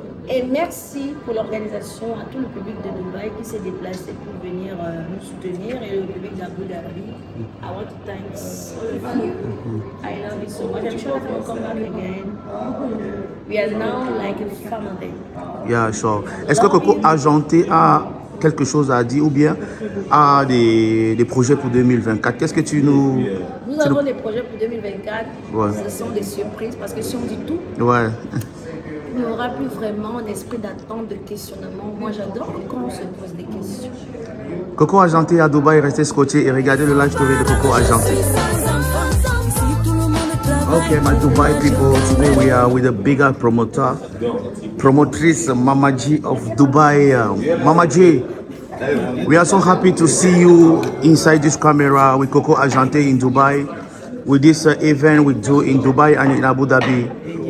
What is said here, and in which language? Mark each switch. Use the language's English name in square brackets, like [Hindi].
[French] Et merci pour l'organisation à tout le public de Dubaï qui s'est déplacé pour venir nous soutenir et le public d'Abu Dhabi. [English] I want to thank all of you. I love you so much. I'm sure we'll come back again. We are now like a family. Yeah, sure. [French] Est-ce que Coco Argenté a quelque chose à dire ou bien à des projets pour 2024? Qu'est-ce que tu nous... Nous avons des projets pour 2024. Ouais. Ce sont des surprises parce que si on dit tout, ouais, il n'y aura plus vraiment un esprit d'attente, de questionnement. Moi, j'adore quand on se pose des questions. Coco Argenté à Dubaï, restez scotché et regardez le live TV de Coco Argenté. [English] Ok, my Dubai people, today we are with a bigger promoter, promotrice Mama G of Dubai. Mama G, we are so happy to see you inside this camera with Coco Argenté in Dubai, with this event we do in Dubai and in Abu Dhabi.